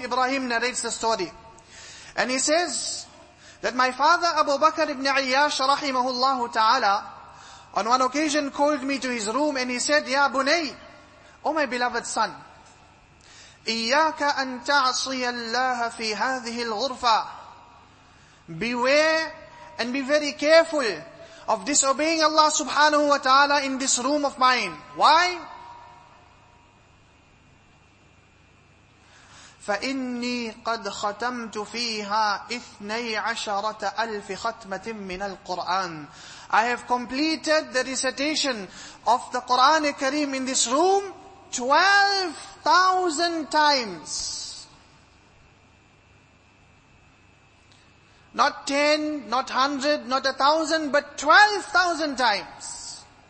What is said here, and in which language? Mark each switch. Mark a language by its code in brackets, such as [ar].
[en] Ibrahim narrates the story. And he says that my father Abu Bakr ibn Ayyash, rahimahullahu ta'ala, on one occasion called me to his room and he said, Ya Bunay, O my beloved son, [ar] إِيَّاكَ أَن تَعْصِيَ اللَّهَ فِي هَذِهِ الْغُرْفَةِ. [en] Beware and be very careful of disobeying Allah subhanahu wa ta'ala in this room of mine. Why? [ar] فإني قد ختمت فيها 12,000 ختمة من القرآن. [en] I have completed the recitation of the Quran Kareem in this room 12,000 times. Not 10, not 100, not 1,000, but 12,000 times.